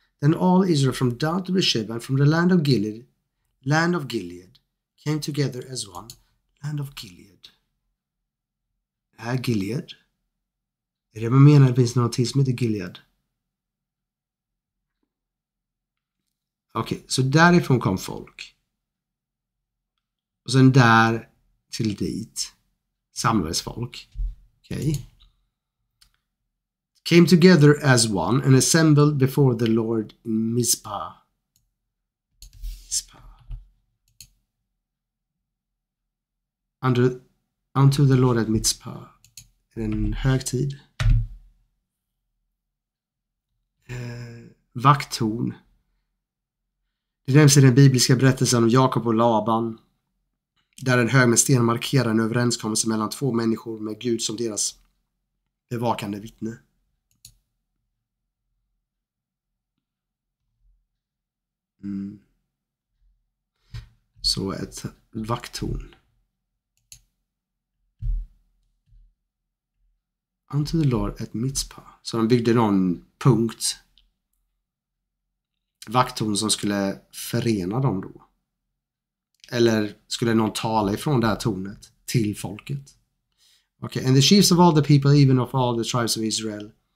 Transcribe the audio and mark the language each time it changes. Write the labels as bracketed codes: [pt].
[en] And all Israel from Dan to Beersheba and from the land of Gilead, came together as one. Land of Gilead. [sv] Det här är Gilead. Är det man menar att det finns något som heter Gilead? Okej, okay, så därifrån kom folk. Och sen där till dit samlades folk. Okej. [en] Came together as one and assembled before the Lord in Mizpah. Mizpah. Unto the Lord at Mizpah. [sv] En högtid. Vakttorn. Det nämns i den bibliska berättelsen om Jakob och Laban. Där en hög med sten markerar en överenskommelse mellan två människor med Gud som deras bevakande vittne. Mm. Så ett vakttorn. [en] unto the Lord at Mitzpah. [sv] Så de byggde någon punkt. Vakttorn som skulle förena dem då. Eller skulle någon tala ifrån det här tornet till folket. [en] Okay. And the chiefs of all the people, even of all the tribes of Israel.